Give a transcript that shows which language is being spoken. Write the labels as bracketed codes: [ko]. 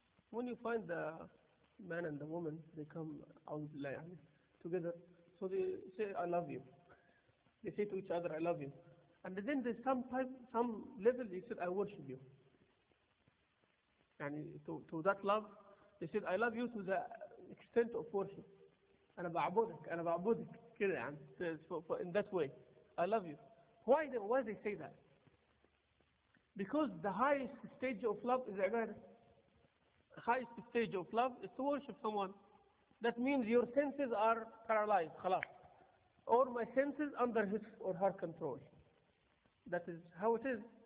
[en] When you find the man and the woman, they come together. So they say, I love you. They say to each other, I love you. And then there's some level, they said, I worship you. يعني to that love. They said I love you to the extent of worship. [ar] أنا بعبدك أنا بعبدك كده يعني [en] for in that way. I love you. Why they say that? Because the highest stage of love is ibadah. The highest stage of love is to worship someone. That means your senses are paralyzed, خلاص. Or my senses under his or her control. That is how it is.